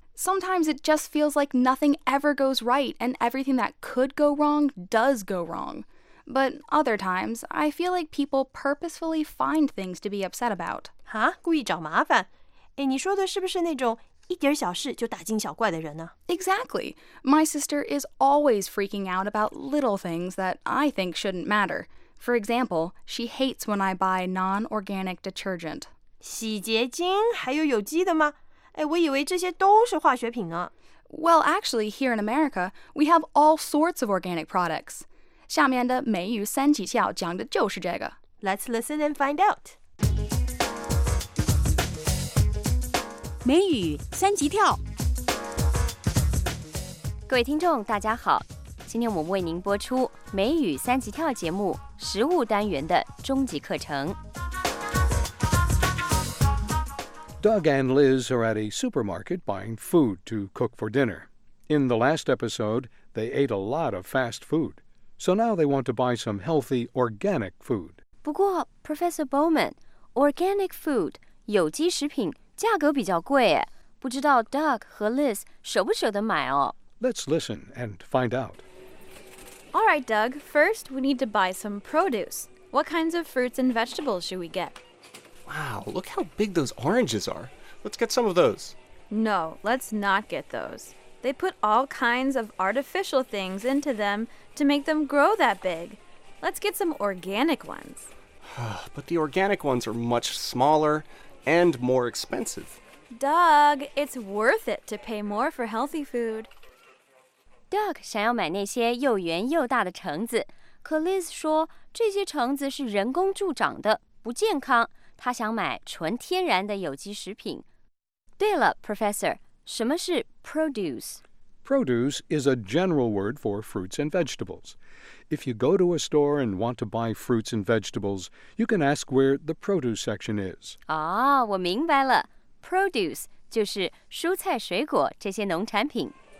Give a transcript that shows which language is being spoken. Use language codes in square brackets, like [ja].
[en] Sometimes it just feels like nothing ever goes right, and everything that could go wrong does go wrong. But other times, I feel like people purposefully find things to be upset about. [zh] 哈？故意找麻烦？哎，你说的是不是那种一点小事就大惊小怪的人呢？ [en] Exactly. My sister is always freaking out about little things that I think shouldn't matter. For example, she hates when I buy non-organic detergent. [zh] 洗洁精？还有有机的吗？哎，我以为这些都是化学品呢。 [en] Well, actually, here in America, we have all sorts of organic products. [zh] 下面的美语三级跳讲的就是这个。 [en] Let's listen and find out. [zh] 美语三级跳。各位听众大家好，今天我们为您播出美语三级跳节目实务单元的终极课程。 [en] Doug and Liz are at a supermarket buying food to cook for dinner. In the last episode, they ate a lot of fast food. So now they want to buy some healthy, organic food. [zh] 不过 Professor Bowman, organic food, 有机食品价格比较贵耶。不知道 Doug 和 Liz 舍不舍得买哦。 Let's listen and find out. [en] All right, Doug, first we need to buy some produce. What kinds of fruits and vegetables should we get? Wow, look how big those oranges are. Let's get some of those. No, let's not get those. They put all kinds of artificial things into them to make them grow that big. Let's get some organic ones. But the organic ones are much smaller and more expensive. Doug, it's worth it to pay more for healthy food. [zh] Doug 想要买那些又圆又大的橙子，可 Liz 说这些橙子是人工助长的，不健康。他想买纯天然的有机食品。对了 ，Professor。什么是 produce? [en] Produce is a general word for fruits and vegetables. If you go to a store and want to buy fruits and vegetables, you can ask where the produce section is. [zh] 哦，我明白了。 Produce 就是蔬菜水果这些农产品。